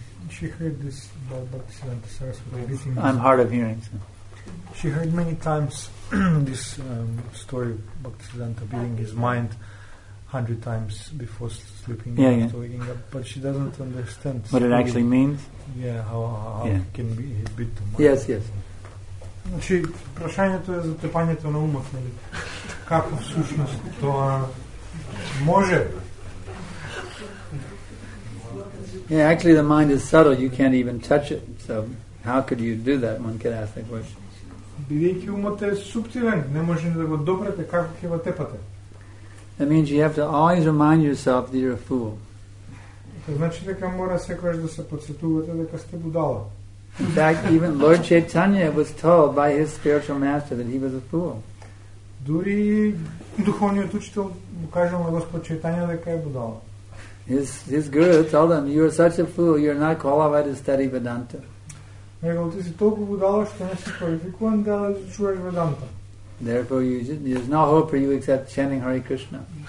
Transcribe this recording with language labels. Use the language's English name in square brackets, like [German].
[English] She heard this about Bhaktisiddhanta Saraswati beating. I'm hard of hearing. So. She heard many times this story of Bhaktisiddhanta beating his mind 100 times before sleeping and waking up, but she doesn't understand what it actually means. Yeah, how can be a bit too much. Yes, yes. [Macedonian] Значи, прашањето е за тепањето на умот, нели? Како всушност тоа може? [English] Yeah, actually the mind is subtle, you can't even touch it. So how could you do that? One could ask that question. [Macedonian] Бидејќи умот е суптилен, не може да го допрете, како ќе го тепате? [English] That means you have to always remind yourself that you're a fool. [Macedonian] Значи дека мора секогаш да се подсетувате дека сте будала. [English] In fact, even Lord Chaitanya was told by his spiritual master that he was a fool. [Macedonian] Дури духовниот учител му кажал на Господ Чајтања дека е будала. [English] His guru told him, "You are such a fool. You are not qualified to study Vedanta." [Macedonian] Него ти си толку будала што не си квалификуван да чуваш Веданта. [English] Therefore, there's no hope for you except chanting Hare Krishna.